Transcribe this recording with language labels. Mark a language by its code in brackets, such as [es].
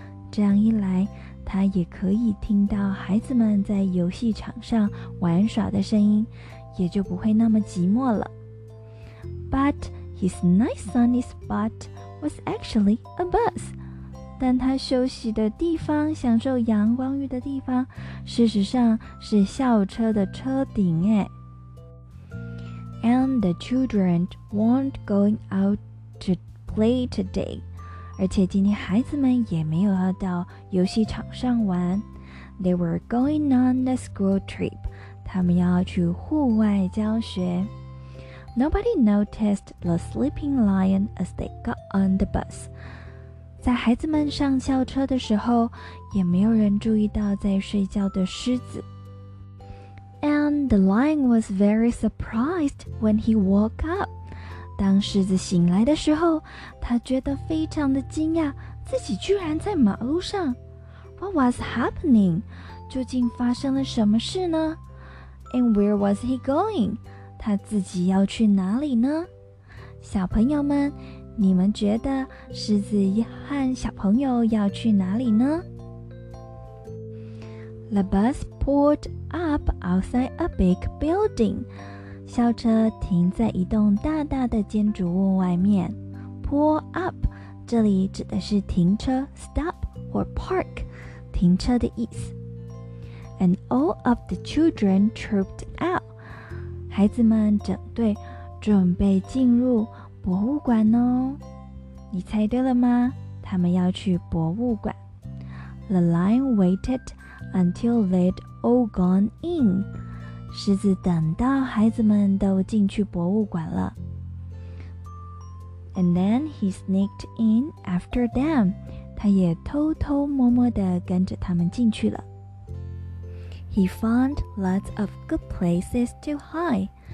[zh] 这样一来，他也可以听到孩子们在游戏场上玩耍的声音，也就不会那么寂寞了。 [en] But his nice sunny spot was actually a bus. [zh] 但他休息的地方，享受阳光浴的地方，事实上是校车的车顶。 [en] and the children weren't going out to play today. [zh] 而且今天孩子们也没有要到游戏场上玩。 [en] They were going on a school trip. [zh] 他们要去户外教学。 [en] Nobody noticed the sleeping lion as they got on the bus. [zh] 在孩子们上校车的时候，也没有人注意到在睡觉的狮子。 [en] And the lion was very surprised when he woke up. [zh] 当狮子醒来的时候，他觉得非常的惊讶，自己居然在马路上。 [en] What was happening? [zh] 究竟发生了什么事呢？ [en] And where was he going? [zh] 他自己要去哪里呢？小朋友们，你们觉得狮子和小朋友要去哪里呢？ [en] The bus pulled up outside a big building. [zh] 校车停在一栋大大的建筑物外面。 Pull up 这里指的是停车 [en] stop or park [zh] 停车的意思。 [en] And all of the children trooped out. [zh] 孩子们整队准备进入博物馆哦。你猜对了吗？他们要去博物馆。 [en] The lion waited until they'd all gone in. [zh] 狮子等到孩子们都进去博物馆了。 [en] And then he sneaked in after them. [zh] 他也偷偷摸摸地跟着他们进去了。 [en] He found lots of good places to hide.